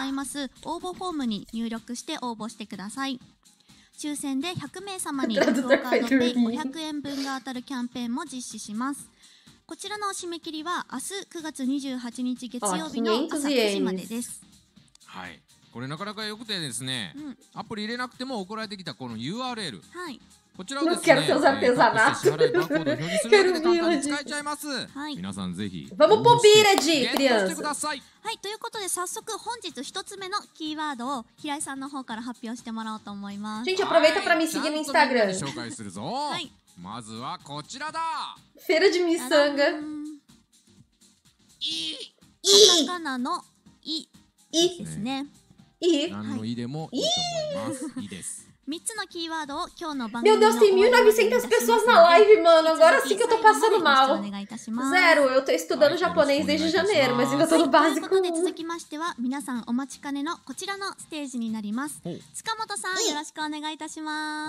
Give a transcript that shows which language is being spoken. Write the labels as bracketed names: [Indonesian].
[Portuguese] Tradutor vai ter o link no post do Instagram. Tradutor vai ter o link. [Japanese] こちらの締め切りは明日9月28日月曜日の朝9時までです。はい。これなかなか良くてですね、うん、アプリ入れなくても送られてきたこの URL、はい、こちらをですね、タップして支払いバッコード表示するだけで簡単に使えちゃいます、はい、皆さんぜひ [Portuguese] Vamos [Japanese] ポピーレジゲットしてください。はい、ということで早速本日一つ目のキーワードを平井さんの方から発表してもらおうと思います。 [Portuguese] Gente, aproveita pra me seguir no Instagram。 [Japanese] ちゃんと紹介するぞ。はい、まずはこちらだ。フェルジミサンガ、イー、イー、カタカナのイイですね。何のイでもいいと思います。はい、いいです。 3つのキーワードを今日の番組の。 [Portuguese] Meu Deus, tem 1900 pessoas na live, mano. Agora sim que eu tô passando mal. Zero, eu tô estudando japonês desde janeiro, mas ainda tô no básico. [Japanese] ということで続きましては皆さんお待ちかねのこちらのステージになります。塚本さん、よろしくお願いいたします。